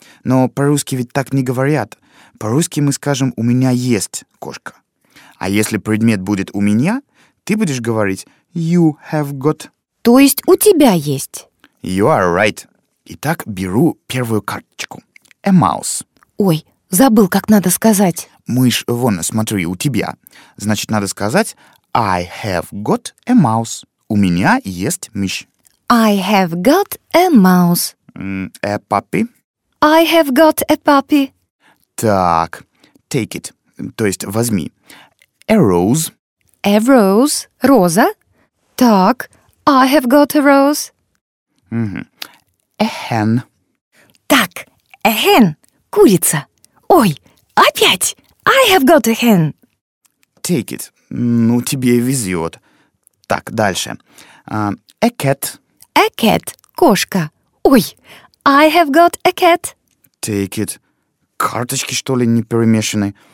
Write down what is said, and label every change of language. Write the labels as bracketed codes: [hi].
[ru] Но по-русски ведь так не говорят. По-русски мы скажем «у меня есть кошка». А если предмет будет «у меня», ты будешь говорить «you have got». То есть «у тебя есть». [en] You are right. [ru] Итак, беру первую карточку. [en] A mouse. [ru] Ой, забыл, как надо сказать. Мышь, вон, смотри, у тебя. Значит, надо сказать «I have got a mouse». «У меня есть мышь». [en] «I have got a mouse». «A puppy». «I have got a puppy». [ru] Так, take it, то есть возьми. [en] A rose. A rose, роза. Так, I have got a rose. Угу. A hen. [ru] Так, a hen, курица. [en] Ой, опять, I have got a hen. [ru] Take it, ну тебе везет. Так, дальше. A cat. [en] A cat, кошка. Ой, I have got a cat. Take it. [ru] Карточки, что ли, не перемешаны?